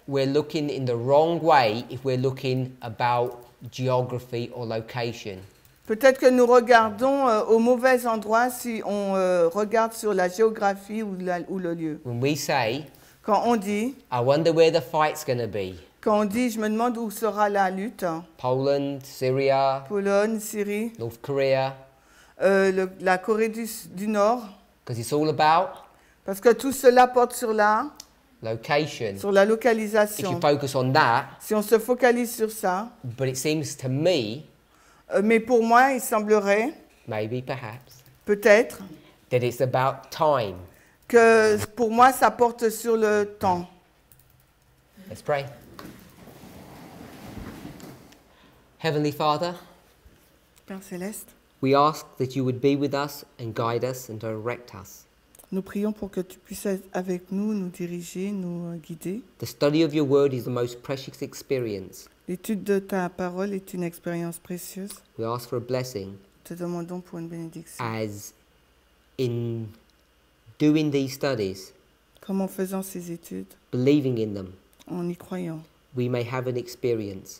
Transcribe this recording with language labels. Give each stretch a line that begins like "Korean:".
English: We're looking in the wrong way if we're looking about geography or location.
French: Peut-être que nous regardons au mauvais endroit si on regarde sur la géographie ou le lieu.
English: When we say,
French: quand on dit,
English: I wonder where the fight's gonna be.
French: Quand on dit, je me demande où sera la lutte.
English: Poland, Syria.
French: Pologne, Syrie.
English: North Korea.
French: La Corée du Nord.
English: Because it's all about.
French: Parce que tout cela porte sur la.
English: Location.
French: Sur la localisation.
English: If you focus on that.
French: Si on se focalise sur ça.
English: But it seems to me.
French: Mais pour moi, il semblerait,
English: maybe, perhaps,
French: peut-être,
English: that it's about time.
French: que pour moi ça porte sur le temps.
English: Let's pray. Heavenly Father,
French: Père Céleste,
English: we ask that you would be with us and guide us and direct us.
French: Nous prions pour que tu puisses être avec nous, nous diriger, nous guider.
English: The study of your word is the most precious experience.
French: L'étude de ta parole est une expérience précieuse.
English: We ask for a blessing.
French: Te demandons pour une bénédiction.
English: As in doing these studies.
French: Comme en faisant ces études.
English: Believing in them.
French: En y croyant.
English: We may have an experience.